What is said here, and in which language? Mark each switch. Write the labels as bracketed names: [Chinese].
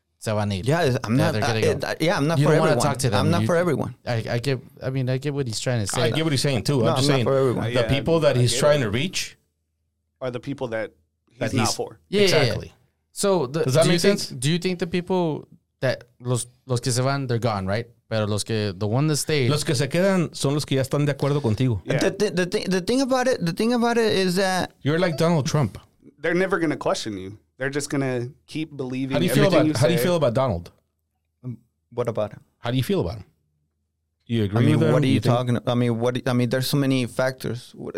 [English] I'm not for everyone. I get what he's trying to say. I get what he's saying too. I'm just saying, not for everyone. The people that he's trying to reach are the people that he's not for. Yeah, exactly. Yeah, yeah. So the, does that make sense? Do you think the people that los que se van, they're gone, right? Pero los que, the one that stays, [Spanish] los que se quedan son los que ya están de acuerdo contigo. [English] Yeah. The thing about it is that you're like Donald Trump. They're never gonna question you. They're just gonna keep believing. How do you feel about Donald? What about him? How do you feel about him? Do you agree with him? What are you talking about? I mean, there's so many factors.